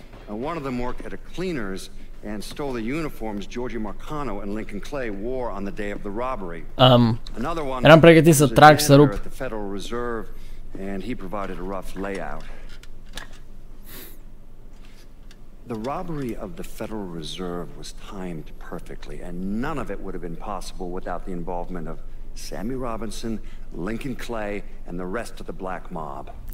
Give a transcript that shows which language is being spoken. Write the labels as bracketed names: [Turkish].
[English] One of them worked at a cleaner's and stole the uniforms Georgie Marcano and Lincoln Clay wore on the day of the robbery. Another one [Romanian] eram pregătit să trag, să rup. [English] The Federal Reserve, and he provided a rough layout. The robbery of the Federal Reserve was timed perfectly, and none of it would have been possible without the involvement of Sammy Robinson, Lincoln Clay, and the rest of the black mob.